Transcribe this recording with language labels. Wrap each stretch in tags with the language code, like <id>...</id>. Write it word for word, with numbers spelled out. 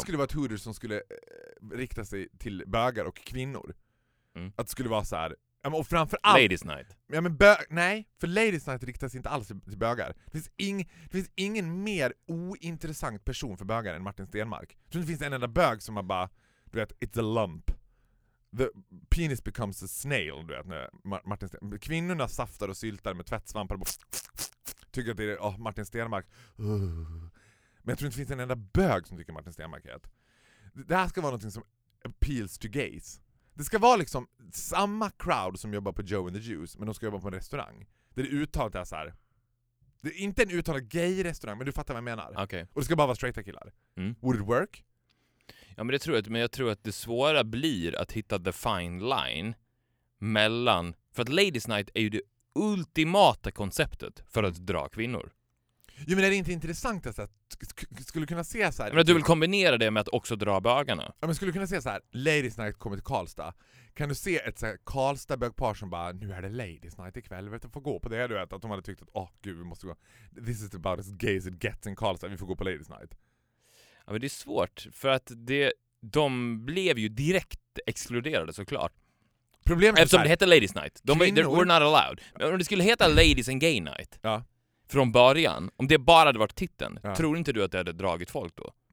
<sv>skulle vara ett Hooters som skulle eh, rikta sig till bögar och kvinnor. Mm. Att det skulle vara så här... Och framförallt... Ladies night. Ja, men bö- nej, för ladies night riktas inte alls till bögar. Det finns, ing- det finns ingen mer ointressant person för bögar än Martin Stenmark. Jag tror det finns en enda bög som har bara... Du vet,</sv> <en>it's a lump. The penis becomes a snail,</en> <sv>du vet. När Martin Stenmark. Kvinnorna saftar och syltar med tvättsvampar. Och tycker att det är oh, Martin Stenmark. Uh. Men jag tror inte det finns en enda bög som tycker Martin Stenmark är ett. Det här ska vara något som</sv> <en>appeals to gays.</en> <sv>Det ska vara liksom samma crowd som jobbar på Joe and the Juice, men de ska jobba på en restaurang. Där det uttalat är så här. Det är inte en uttalad gay-restaurang, men du fattar vad jag menar.</sv> <en>Okay.</en> <sv>Och det ska bara vara straighta killar. Mm.</sv> <en>Would it work?</en> <sv>Ja, men det tror jag, men jag tror att det svåra blir att hitta</sv> <en>the fine line</en> <sv>mellan... För att ladies night är ju det ultimata konceptet för att dra kvinnor. Jo, men är det inte intressant att, att skulle kunna se så här... Men att du vill kombinera det med att också dra bögarna. Ja, men skulle kunna se så här, ladies night kommer till Karlstad. Kan du se ett så här Karlstad-bögpar som bara, nu är det ladies night ikväll, vet du, får gå på det, du vet. Att de hade tyckt att, åh oh, gud, vi måste gå.</sv> <en>This is about as gay as it gets in Karlstad,</en> <sv>vi får gå på ladies night. Ja, men det är svårt, för att det, de blev ju direkt exkluderade såklart. Problemet är eftersom så här, det hette ladies night. De kvinnor...</sv> <en>were not allowed.</en> <sv>Men om det skulle heta ladies and gay night... Ja. Från början, om det bara hade varit titeln, ja. Tror inte du att det hade dragit folk då?</sv>